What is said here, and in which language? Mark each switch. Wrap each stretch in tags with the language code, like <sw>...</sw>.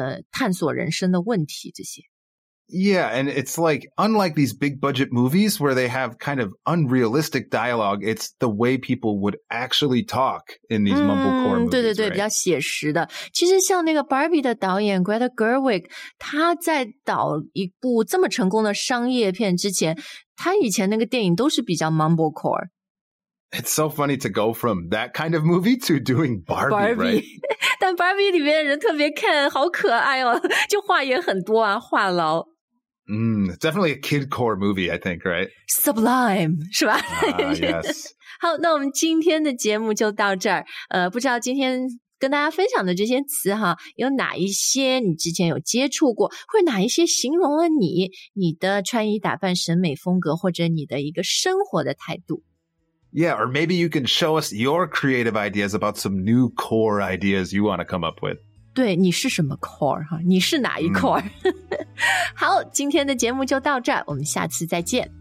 <zh>探索人生的问题这些。</zh> <en>Yeah, and it's like, unlike these big budget movies where they have kind of unrealistic dialogue, it's the way people would actually talk in these mumblecore movies.</en> <zh>对对对、</zh> <en>right?</en> <zh>比较写实的。其实像那个 Barbie 的导演 Greta Gerwig, 他在导一部这么成功的商业片之前，他以前那个电影都是比较 mumblecore。</zh> <en>It's so funny to go from that kind of movie to doing Barbie, right?</en> <zh>但 Barbie 里面人特别看好可爱哦，就话也很多啊，话痨。</zh> <en>Definitely a kid core movie, I think, right? Sublime,</en> <zh>是吧？</zh> <en>Yes.</en> <zh>好，那我们今天的节目就到这儿。不知道今天跟大家分享的这些词哈，有哪一些你之前有接触过，或哪一些形容了你的穿衣打扮、审美风格，或者你的一个生活的态度。</zh> <en>Yeah, or maybe you can show us your creative ideas about some new core ideas you want to come up with.</en> <zh>对，你是什么 core? 哈？你是哪一 core? 好，今天的节目就到这儿，我们下次再见。</zh>